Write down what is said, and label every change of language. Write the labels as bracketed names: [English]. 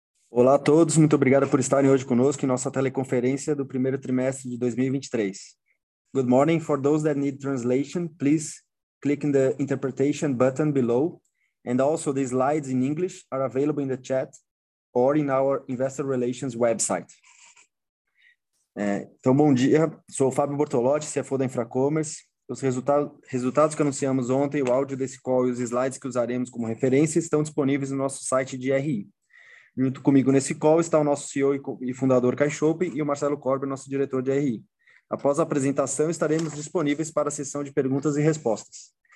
[Portuguese] Olá a todos, muito obrigado por estarem hoje conosco em nossa teleconferência do primeiro trimestre de 2023. [English] Good morning. For those that need translation, please click in the interpretation button below. And also the slides in English are available in the chat or in our investor relations website. [Portuguese] Então, bom dia. Sou o Fábio Bortolotti, CFO da InfraCommerce. Os resultados que anunciamos ontem, o áudio desse call e os slides que usaremos como referência estão disponíveis no nosso site de RI. Junto comigo nesse call está o nosso CEO e fundador, Kai Schoppe, e o Marcelo Corbi, nosso diretor de RI. Após a apresentação, estaremos disponíveis para a sessão de perguntas e respostas.